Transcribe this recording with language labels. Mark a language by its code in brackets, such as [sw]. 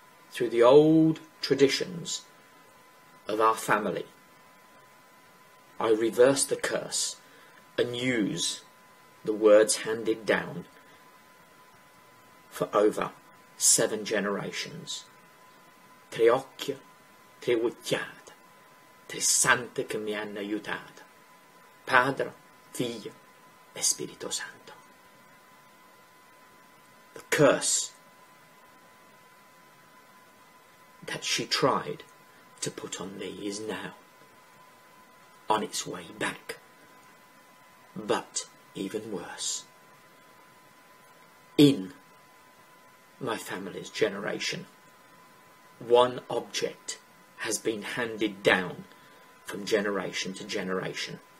[en] Through the old traditions of our family, I reverse the curse and use the words handed down for over 7 generations. [it] Tre occhi, tre guttiad, tre sante che mi hanno aiutato, Padre, Figlio, e Spirito Santo. [en] The curse that she tried to put on me is now on its way back, but even worse, in my family's generation, one object has been handed down from generation to generation.